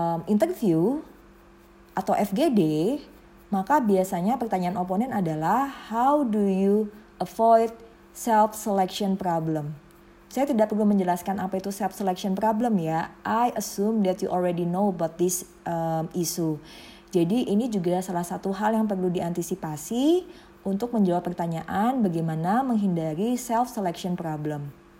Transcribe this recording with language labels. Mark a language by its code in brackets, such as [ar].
[id] interview atau FGD, maka biasanya pertanyaan oponen adalah [en] how do you avoid self-selection problem? [id] Saya tidak perlu menjelaskan apa itu self-selection problem ya. [en] I assume that you already know about this issue. [id] Jadi ini juga salah satu hal yang perlu diantisipasi untuk menjawab pertanyaan bagaimana menghindari self-selection problem.